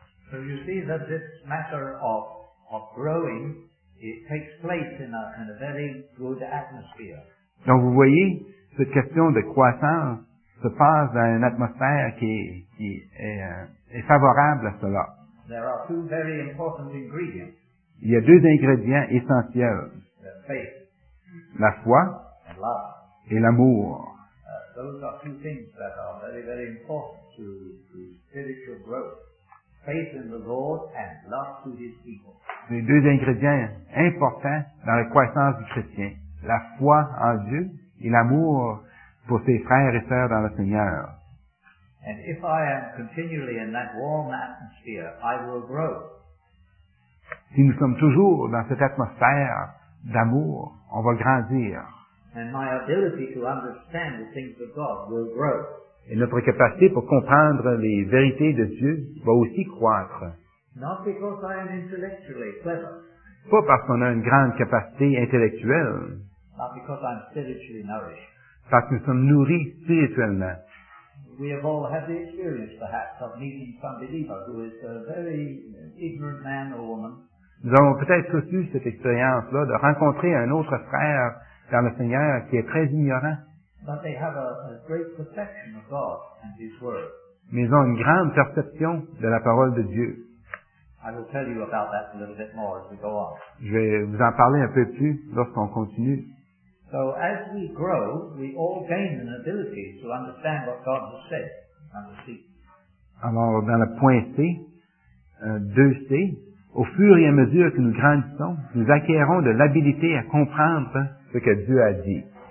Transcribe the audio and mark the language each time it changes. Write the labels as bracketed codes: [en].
[en] So you see that this matter of growing, it takes place in a very good atmosphere. [fr] Donc vous voyez, cette question de croissance se passe dans une atmosphère qui est favorable à cela. [en] There are two very important ingredients. [fr] Il y a deux ingrédients essentiels. [en] Faith, [fr] la foi [en] and love, [fr] et l'amour. [en] Those are two things that are very, very important to spiritual growth. Faith in the Lord and love to his people. [fr] Les deux ingrédients importants dans la croissance du chrétien. La foi en Dieu et l'amour pour ses frères et sœurs dans le Seigneur. [en] And if I am continually in that warm atmosphere, I will grow. [fr] Si nous sommes toujours dans cette atmosphère d'amour, on va grandir. [en] And my ability to understand the things of God will grow. [fr] Et notre capacité pour comprendre les vérités de Dieu va aussi croître. [en] Not because I am intellectually clever. [fr] Pas parce qu'on a une grande capacité intellectuelle. [en] Not because I'm spiritually nourished. [fr] Parce que nous sommes nourris spirituellement. [en] We have all had the experience, perhaps, of meeting some believer who is a very ignorant man or woman. [fr] Nous avons peut-être tous eu cette expérience-là de rencontrer un autre frère dans le Seigneur qui est très ignorant. [en] But they have a great perception of God and His Word. [fr] Mais ils ont une grande perception de la parole de Dieu. [en] I will tell you about that a little bit more as we go on. [fr] Je vais vous en parler un peu plus lorsqu'on continue. [en] So as we grow, we all gain an ability to understand what God has said and to see. [fr] Alors, dans le point C, 2C, au fur et à mesure que nous grandissons, nous acquérons de l'habilité à comprendre ce que Dieu a dit.